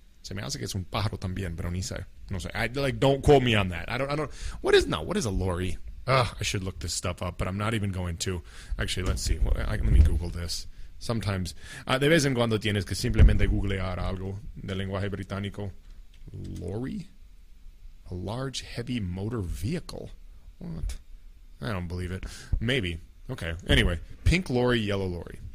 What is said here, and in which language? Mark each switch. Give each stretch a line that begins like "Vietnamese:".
Spanish: Se me hace que es un pájaro también, pero ni sé. No sé.
English: Don't quote me on that. I don't. What is now? What is a lorry? I should look this stuff up, but I'm not even going to. Actually, let's see. Let me Google this. Sometimes.
Spanish: De vez en cuando tienes que simplemente googlear algo de lenguaje británico.
English: Lorry? A large, heavy motor vehicle. What? I don't believe it. Maybe. Okay, anyway, pink lorry, yellow lorry.